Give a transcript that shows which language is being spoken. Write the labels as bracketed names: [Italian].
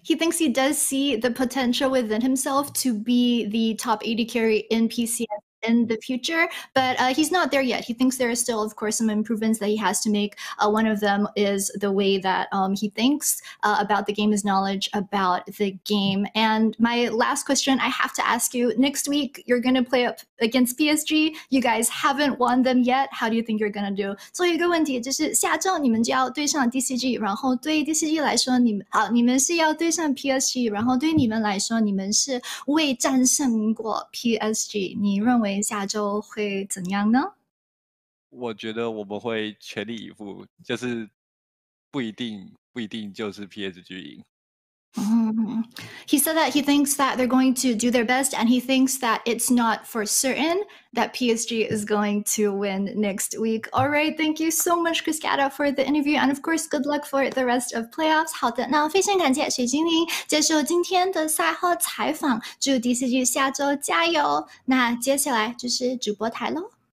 [English] He thinks he does see the potential within himself to be the top AD carry in PCS in the future, but he's not there yet. He thinks there are still, of course, some improvements that he has to make. One of them is the way that he thinks about the game, his knowledge about the game. And my last question I have to ask you, next week you're going to play up against PSG. You guys haven't won them yet. How do you think you're going to do? [Chinese] 最后一个问题就是下周你们就要对上 DCG, 然后对 DCG 来说你们是要对上 PSG, 然后对你们来说你们是未战胜过 PSG, 你认为下周会怎样呢？我觉得我们会全力以赴，就是不一定就是 PSG 赢。 [English] He said that he thinks that they're going to do their best, and he thinks that it's not for certain that PSG is going to win next week. All right, thank you so much, Chris Gatto, for the interview, and of course, good luck for the rest of playoffs. [Chinese] 好的，那非常感谢水精灵接受今天的赛后采访，祝 DCG 下周加油。那接下来就是主播台喽，